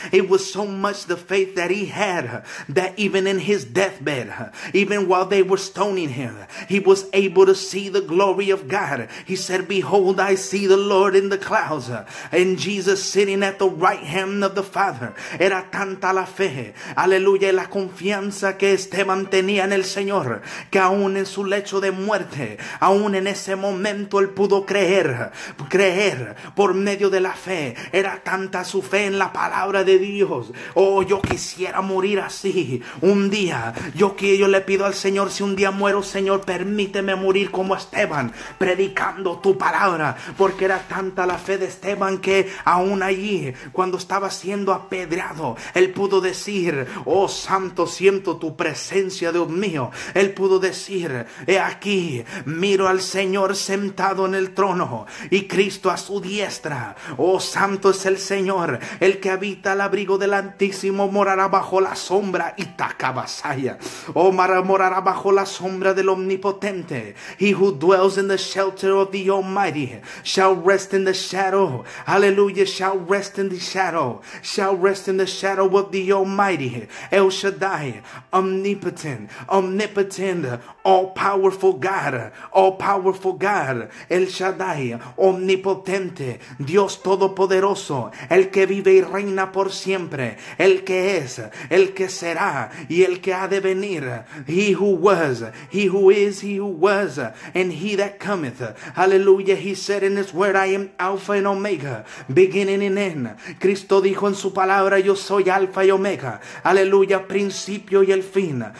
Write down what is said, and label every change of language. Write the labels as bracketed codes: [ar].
[en] It was so much the faith that he had, that even in his deathbed, even while they were stoning him, he was able to see the glory of God. He said, behold, I see the Lord in the clouds, and Jesus sitting at the right hand of the Father. [es] Era tanta la fe, aleluya, y la confianza que Esteban tenía en el Señor, que aún en su lecho de muerte, aún en ese momento, él pudo creer por medio de la fe. Era tanta su fe en la palabra de Dios. Oh, yo quisiera morir así un día. Yo le pido al Señor, si un día muero, Señor, permíteme morir como Esteban, predicando tu palabra, porque era tanta la fe de Esteban que aún allí, cuando estaba siendo apedreado, él pudo decir, oh santo, siento tu presencia, Dios mío. Él pudo decir, he aquí, miro al Señor sentado en el trono y Cristo a su diestra. Oh santo es el Señor, el que habita al abrigo del Altísimo, morará bajo la sombra y tacabasaya. Oh, morará bajo la sombra del Omnipotente. [en] He who dwells in the shelter of the Almighty shall rest in the shadow. [es] Aleluya. [en] Shall rest in the shadow of the Almighty, El Shaddai, omnipotent, all powerful God, [es] El Shaddai, omnipotente, Dios todopoderoso, el que vive y reina por siempre, el que es, el que será y el que ha de venir. [en] He who was, he who is, he who was, and he that cometh. Hallelujah. He said in his word, I am Alpha and Omega, beginning and end. [es] Cristo dijo en su palabra, yo soy Alfa y Omega, aleluya, principio y el fin.